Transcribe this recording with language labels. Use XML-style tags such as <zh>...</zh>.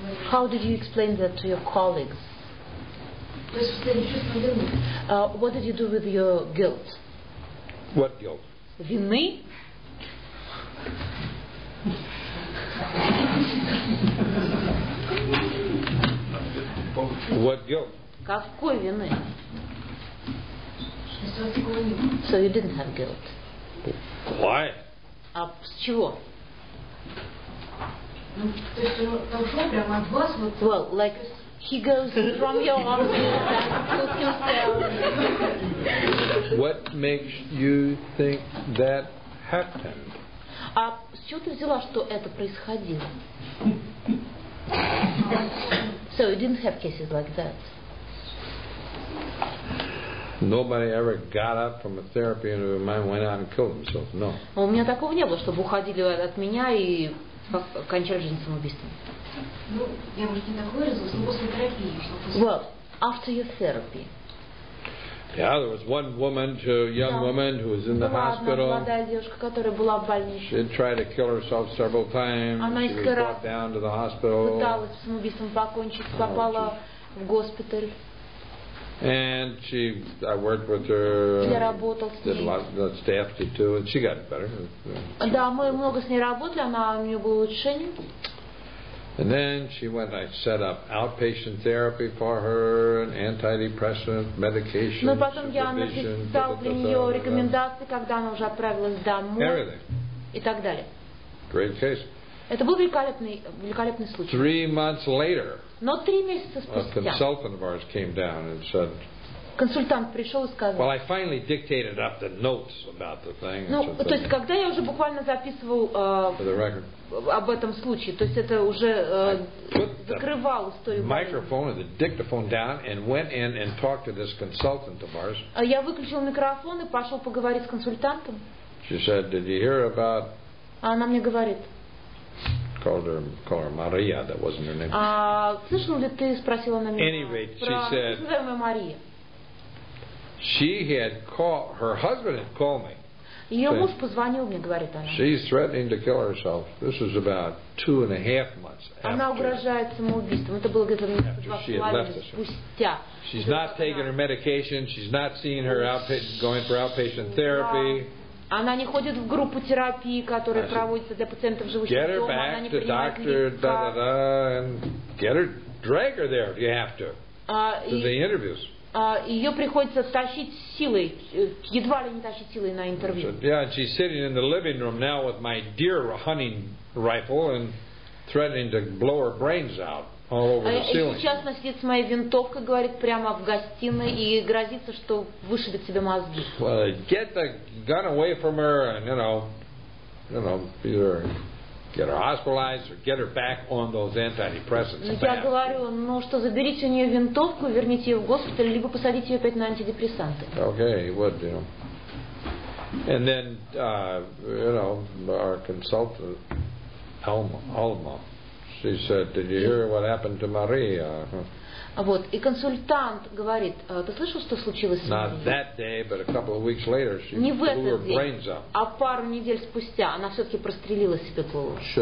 <en>How did you explain that to your colleagues?</en> <ru>То есть вы чувствовали вину?</ru> <en>What did you do with your guilt? What guilt?</en> <ru>Вины?</ru> <en>What guilt?</en> <ru>Какой вины?</ru> <en>So you didn't have guilt. Why?</en> <ru>А с чего?</ru> <en>Well, like he goes from your arms to himself. What makes you think that happened?</en> <ru>А с чего ты взяла, что это происходило?</ru> <en>So you didn't have cases like that. Nobody ever got up from a therapy and went out and killed himself. No.</en> <ru>У меня такого не было, чтобы уходили от меня и кончали жизнь самоубийством. Ну, я, может, не так выразилась, но после терапии.</ru> <en>Well, after your therapy. Yeah, there was one woman, a young woman who was in the hospital.</en> <ru>Была одна молодая девушка, которая была в больнице.</ru> <en>She tried to kill herself several times.</en> <ru>Она</ru> <en>was brought down to the hospital.</en> <ru>Пыталась самоубийством покончить, попала в госпиталь.</ru> <en>And she, I worked with her.</en> <ru>Я работал с ней.</ru> <en>Did a lot of staff did too, and she got better.</en> <ru>Да, мы много с ней работали, она у нее было улучшение.</ru> <en>And then she went. I set up outpatient therapy for her, an antidepressant medication.</en> <ru>Но потом я написал для нее рекомендации, когда она уже отправилась домой.</ru> <en>Everything.</en> <ru>И так далее.</ru> <en>Great case.</en> <ru>Это был великолепный случай.</ru> <en>3 months later.</en> <ru>Но 3 месяца спустя.</ru> <en>A consultant of ours came down and said.</en> <ru>Консультант пришел и сказал.</ru> <en>Well, I finally dictated up the notes about the thing.</en> <ru>Ну, то есть, когда я уже буквально записывал об этом случае, то есть это уже закрывал историю.</ru> <en>Microphone and the dictaphone down and went in and talked to this consultant of ours.</en> <ru>А я выключил микрофон и пошел поговорить с консультантом.</ru> <en>She said, "Did you hear about?"</en> <ru>А она мне говорит.</ru> <en>Called her Maria, that wasn't her name.</en> <ru>Слышал ли ты, спросила она меня.</ru> <en>Anyway, she said.</en> <ru>Мария.</ru> <en>She had called her husband had called me.</en> <ru>Ее муж позвонил мне, говорит она.</ru> <en>She's threatening to kill herself. This was about 2.5 months.</en> <ru>Она угрожает самоубийством. Это было где-то 2.5</ru> <en>months</en> <ru>спустя.</ru> <en>She's not taking her medication. She's not seeing her going for outpatient therapy.</en> <ru>Она не ходит в группу терапии, которая</ru> <en>said,</en> <ru>проводится для пациентов, живущих дома. Она не принимает</ru> <en>doctor,</en> <ru>лекарства.</ru> <en>Get her, drag her there if you have to. To the interviews.</en> <ru>ее приходится тащить силой, едва ли не тащить силой на интервью.</ru> <en>Yeah, and she's sitting in the living room now with my deer hunting rifle and threatening to blow her brains out all over the ceiling.</en> <ru>Сейчас она сидит с моей винтовкой, говорит, прямо в гостиной и грозится, что вышибет себе мозги.</ru> <en>Well, get the gun away from her and, you know, either get her hospitalized or get her back on those antidepressants.</en> <ru>Я говорю, ну что, заберите у нее винтовку, верните ее в госпиталь, либо посадите ее опять на антидепрессанты.</ru> <en>Okay, would you? And then, our consultant, Alma, she said, "Did you hear what happened to Maria?"</en> <ru>Вот, и консультант говорит, ты слышал, что случилось с ней? Не в этот день, а пару недель спустя она все-таки прострелила себе голову.</ru>